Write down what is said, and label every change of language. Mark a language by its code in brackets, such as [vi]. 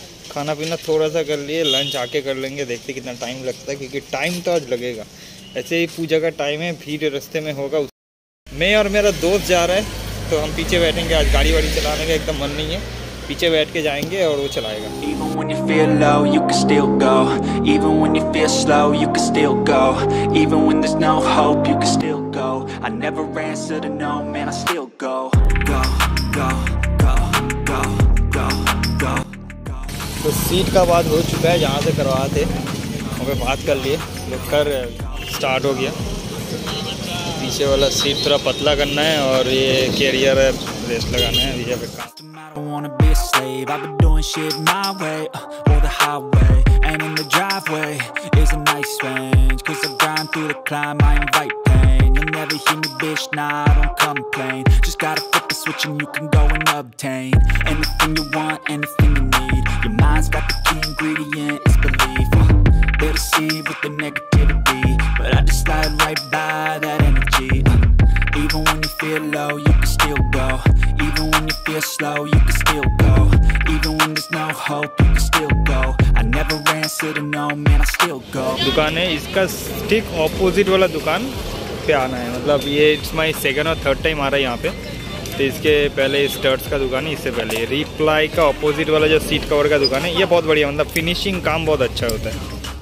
[hi] खाना पीना थोड़ा सा कर लिए, लंच आके कर लेंगे, देखते कितना टाइम लगता है, क्योंकि टाइम तो आज लगेगा, ऐसे ही पूजा का टाइम है, भीड़ रास्ते में होगा। मैं और मेरा दोस्त जा रहा है तो हम पीछे बैठेंगे, आज गाड़ी वाड़ी चलाने का एकदम मन नहीं है, पीछे बैठ के जाएंगे और वो चलाएगा। [en] Even when you feel low, you can still go. Even when you feel slow, you can still go. Even when there's no hope, you can still go. I never answer to no, man, I still go. Go, go. [hi] तो seat का बात हो चुका है, जहाँ से करवाए थे वहाँ पर बात कर लिए, लेकर स्टार्ट हो गया। पीछे वाला सीट थोड़ा पतला करना है और ये कैरियर है रेस लगाना है, ये काम। [en] I don't wanna be a slave, I've been doing shit my way, or the highway, and in the driveway is a nice range, cause I grind through the climb, I invite pain, you'll never hear me bitch, nah, I don't complain, just gotta flip the switch and you can go and obtain, anything you want, anything you need, your mind's got the key ingredient, it's belief, they're deceived with the negativity, but I just slide right by that energy, even when you feel low, you can still go, even when you feel slow, you can still go, even when there's no hope, you can still go, I never answer to no, man, I still go. [hi] दुकान है इसका ठीक opposite वाला दुकान पे आना है, मतलब ये इट्स माय सेकंड और थर्ड टाइम आ रहा है यहाँ पे, तो इसके पहले स्टर्ट्स का दुकान है, इससे पहले रिप्लाई का ऑपोजिट वाला जो सीट कवर का दुकान है, ये बहुत बढ़िया, मतलब फिनिशिंग काम बहुत अच्छा होता है।